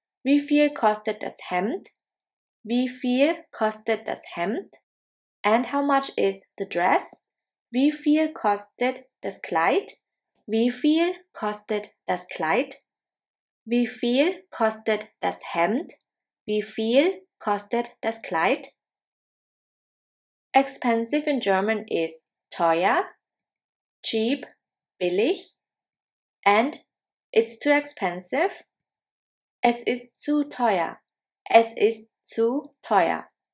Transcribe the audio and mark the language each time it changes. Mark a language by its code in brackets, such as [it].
[de] Wie viel kostet das Hemd? Wie viel kostet das Hemd? [en] And how much is the dress? [de] Wie viel kostet das Kleid? Wie viel kostet das Kleid? Wie viel kostet das Hemd? Wie viel kostet das Kleid? [en] Expensive in German is teuer, cheap, billig, and it's too expensive. [de] Es ist zu teuer. Es ist zu teuer.